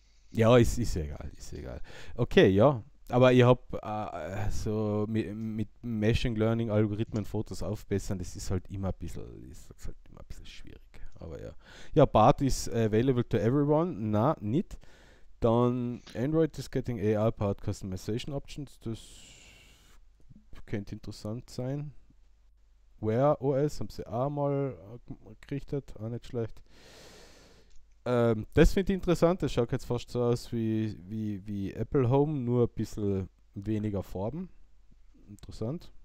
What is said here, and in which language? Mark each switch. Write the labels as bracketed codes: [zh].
[de] Ja, ist egal, ist egal. Okay, ja. Aber ich habe so mit Machine Learning Algorithmen Fotos aufbessern, das ist halt immer ein bisschen, ist halt immer ein bisschen schwierig. Aber ja. [en] Ja, Bart is available to everyone. [de] Na, nicht. Dann [en] Android is getting AI-powered customization options. [de] Das könnte interessant sein. Wear OS haben sie auch mal gerichtet. Auch nicht schlecht. Das finde ich interessant. Das schaut jetzt fast so aus wie Apple Home, nur ein bisschen weniger Farben. Interessant.